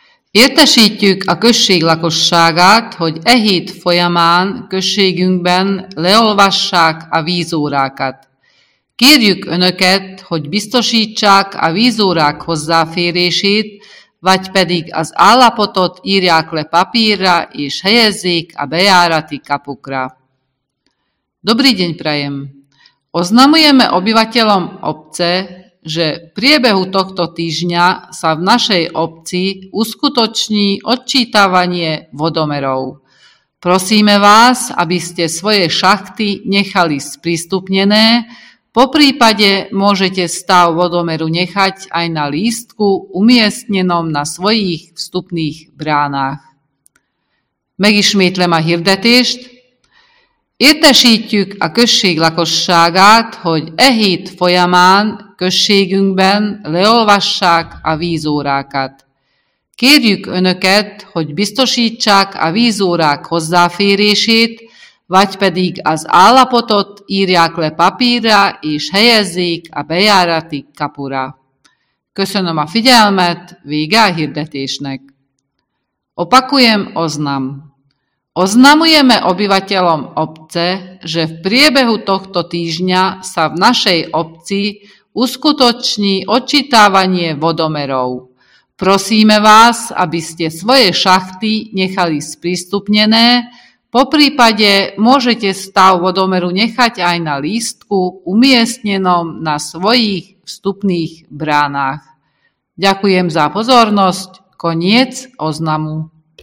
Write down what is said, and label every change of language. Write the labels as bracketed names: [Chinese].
[Hungarian] Értesítjük a község lakosságát, hogy e hét folyamán községünkben leolvassák a vízórákat. Kérjük Önöket, hogy biztosítsák a vízórák hozzáférését, vagy pedig az állapotot írják le papírra és helyezzék a bejárati kapukra. [Slovak] Dobrý deň prajem! Oznamujeme obyvateľom obce, že v priebehu tohto týždňa sa v našej obci uskutoční odčítavanie vodomerov. Prosíme vás, aby ste svoje šachty nechali sprístupnené, po prípade môžete stav vodomeru nechať aj na lístku umiestnenom na svojich vstupných bránách. [Hungarian] Megismétlem a hirdetést. Értesítjük a község lakosságát, hogy e hét folyamán községünkben leolvassák a vízórákat. Kérjük Önöket, hogy biztosítsák a vízórák hozzáférését, vagy pedig az állapotot írják le papírra és helyezzék a bejárati kapura. Köszönöm a figyelmet, vége a hirdetésnek. [Slovak] Opakujem oznam. Oznamujeme obyvateľom obce, že v priebehu tohto týždňa sa v našej obci uskutoční odčítavanie vodomerov. Prosíme vás, aby ste svoje šachty nechali sprístupnené, po prípade môžete stav vodomeru nechať aj na lístku umiestnenom na svojich vstupných bránach. Ďakujem za pozornosť. Koniec oznamu.